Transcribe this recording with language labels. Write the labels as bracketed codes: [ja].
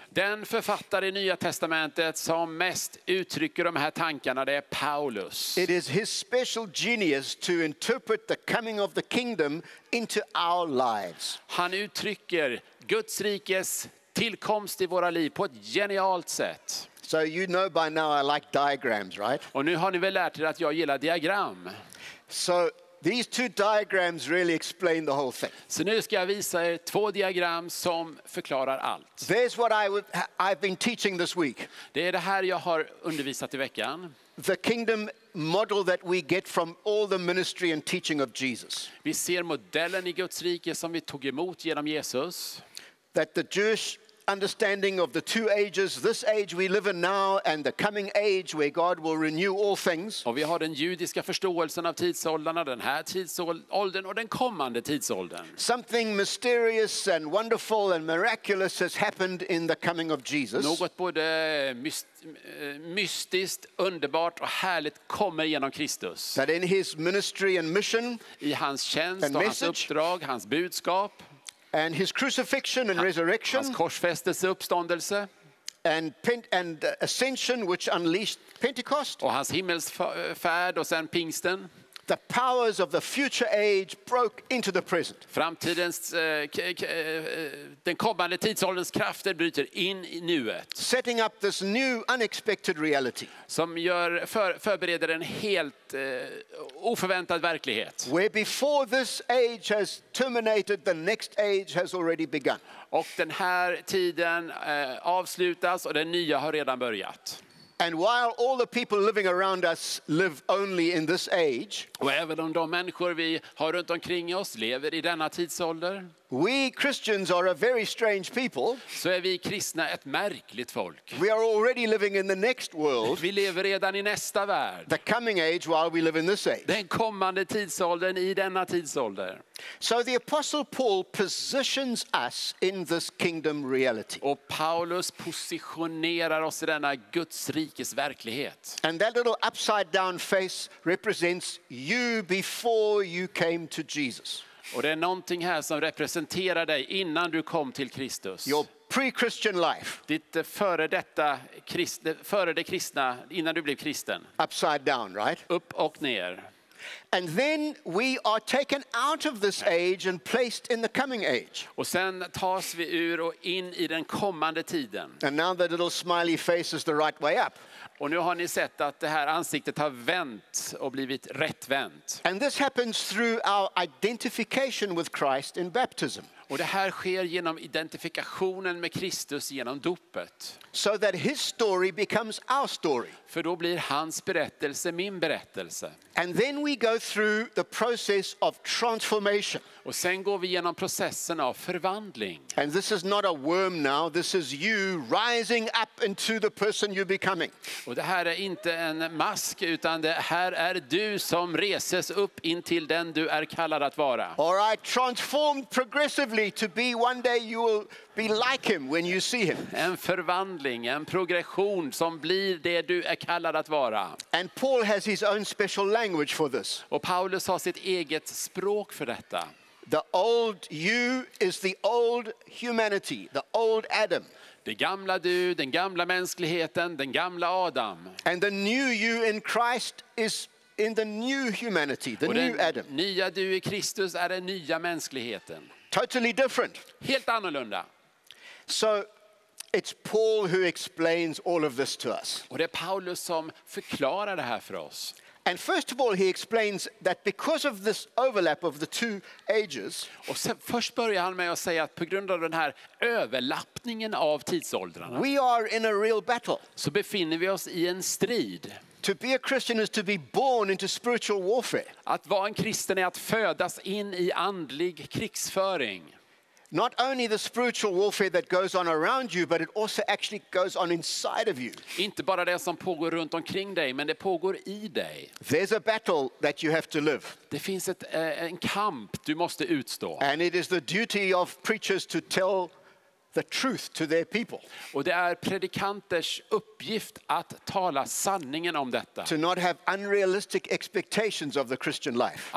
[sv] Den författare i Nya testamentet som mest uttrycker de här tankarna, det är Paulus. [en] It is his special genius to interpret the coming of the kingdom into our lives. [sv] Han uttrycker Guds rikes tillkomst i våra liv på ett genialt sätt. [en] So you know by now I like diagrams, right? [sv] Och nu har ni väl lärt er att jag gillar diagram. [en] So these two diagrams really explain the whole thing. [sv] Så nu ska jag visa er två diagram som förklarar allt. [en] There's what I've been teaching this week. [sv] Det är det här jag har undervisat i veckan. [en] The kingdom model that we get from all the ministry and teaching of Jesus. [sv] Vi ser modellen i Guds rike som vi tog emot genom Jesus. [en] That the Jewish understanding of the two ages, this age we live in now and the coming age where God will renew all things. [sv] Och vi har den judiska förståelsen av tidsåldrarna, den här tidsåldern och den kommande tidsåldern. [en] Something mysterious and wonderful and miraculous has happened in the coming of Jesus. [sv] Något både mystiskt, underbart och härligt kommer genom Kristus. [en] That in his ministry and mission, [sv] i hans tjänst och hans uppdrag, hans budskap. [en] And his crucifixion and resurrection, [sv] hans korsfästelse, uppståndelse, [en] and ascension, which unleashed Pentecost, [sv] och hans himmelsfärd och sen pingsten. [en] The powers of the future age broke into the present. [sv] Framtidens den kommande tidsålderns krafter bryter in i nuet. [en] Setting up this new unexpected reality. [sv] Som gör förbereder en helt oförväntad verklighet. [en] Where before this age has terminated, the next age has already begun. [sv] Och den här tiden avslutas och den nya har redan börjat. [en] And while all the people living around us live only in this age, [sv] och även om de människor vi har runt omkring oss lever i denna tidsålder, [en] we Christians are a very strange people. [sv] Så är vi kristna ett märkligt folk. [en] We are already living in the next world. [sv] Vi lever redan i nästa värld. [en] The coming age while we live in this age. [sv] Den kommande tidsåldern i denna tidsålder. [en] So the Apostle Paul positions us in this kingdom reality. [sv] Och Paulus positionerar oss i denna Guds rikes verklighet. [en] And that little upside down face represents you before you came to Jesus. [sv] Och det är någonting här som representerar dig innan du kom till Kristus. [en] Your pre-Christian life. [sv] Ditt före det kristna innan du blev kristen. [en] Upside down, right? [sv] Upp och ner. [en] And then we are taken out of this age and placed in the coming age. [sv] Och sen tas vi ur och in i den kommande tiden. [en] And now the little smiley face is the right way up. [sv] Och nu har ni sett att det här ansiktet har vänt och blivit rätt vänt. [en] And this happens through our identification with Christ in baptism. [sv] Och det här sker genom identifikationen med Kristus genom dopet. [en] So that his story becomes our story. [sv] För då blir hans berättelse min berättelse. [en] And then we go through the process of transformation. [sv] Och sen går vi genom processen av förvandling. [en] And this is not a worm now, this is you rising up into the person you're becoming. [sv] Och det här är inte en mask, utan det här är du som reses upp in till den du är kallad att vara. [en] All right, transformed progressively to be one day you will be like him when you see him. [sv] En förvandling, en progression som blir det du är kallad att vara. [en] And Paul has his own special language for this. [sv] Och Paulus har sitt eget språk för detta. [en] The old you is the old humanity, the old Adam. [sv] Det gamla du, den gamla mänskligheten, den gamla Adam. [en] And the new you in Christ is in the new humanity, the new Adam. [sv] Nya du i Kristus är den nya mänskligheten. [en] Totally different. [sv] Helt annorlunda. [en] So it's Paul who explains all of this to us. [sv] Och det är Paulus som förklarar det här för oss. [en] And first of all he explains that because of this overlap of the two ages. [sv] Och sen först börjar han med att säga att på grund av den här överlappningen av tidsåldrarna. [en] We are in a real battle. [sv] Så befinner vi oss i en strid. [en] To be a Christian is to be born into spiritual warfare. [sv] Att vara en kristen är att födas in i andlig krigsföring. [en] Not only the spiritual warfare that goes on around you, but it also actually goes on inside of you. [sv] Inte bara det som pågår runt omkring dig, men det pågår i dig. [en] There's a battle that you have to live. [sv] Det finns en kamp du måste utstå. [en] And it is the duty of preachers to tell the truth to their people. [sv] Och det är predikanters uppgift att tala sanningen om detta. [en] To not have unrealistic expectations of the Christian life.